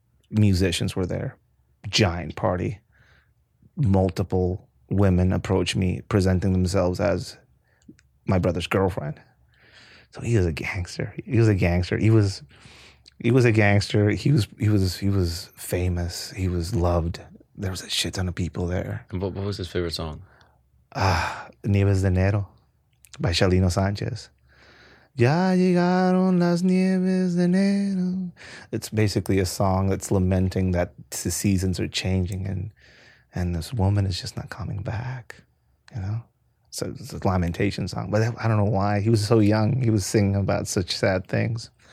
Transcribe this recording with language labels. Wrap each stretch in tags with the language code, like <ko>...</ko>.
<en>Musicians were there, giant party. Multiple women approached me, presenting themselves as my brother's girlfriend. So he was a gangster. He was a gangster. He was famous. He was loved. There was a shit ton of people there. And what was his favorite song? Nieves de Enero by Chalino Sanchez.</en> <es>Ya llegaron las nieves de enero.</es> <en>It's basically a song that's lamenting that the seasons are changing and this woman is just not coming back, you know? So it's a lamentation song. But I don't know why. He was so young. He was singing about such sad things.</en>